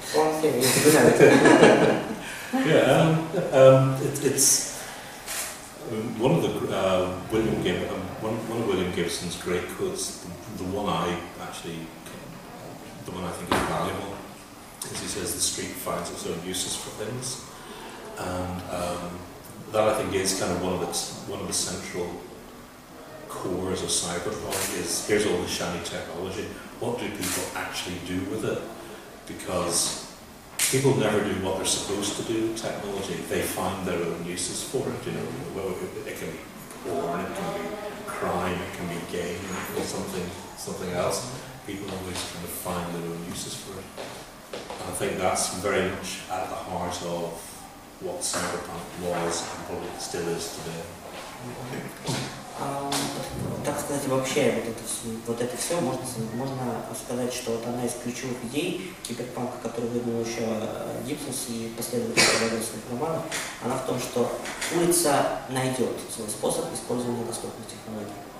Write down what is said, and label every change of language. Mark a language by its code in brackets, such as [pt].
[ru] Порно теория, если бы знают. [en] Yeah, it's one of the William Gibson's great quotes. The one I think is valuable. As he says, the street finds its own uses for things, and that I think is kind of one of the central cores of cyberpunk. Is here's all the shiny technology. What do people actually do with it? Because people never do what they're supposed to do with technology. They find their own uses for it. You know, it can be porn, it can be crime, it can be game, or something else. People always kind of find their own uses for it. I think that's very much at the heart of what cyberpunk was and probably still is today. [ru] Так сказать, вообще вот это все можно сказать, что вот одна из ключевых идей киберпанка, которую выдвинул еще Гибсон и последователи революционных романов, она в том, что улица найдет свой способ использования доступных технологий.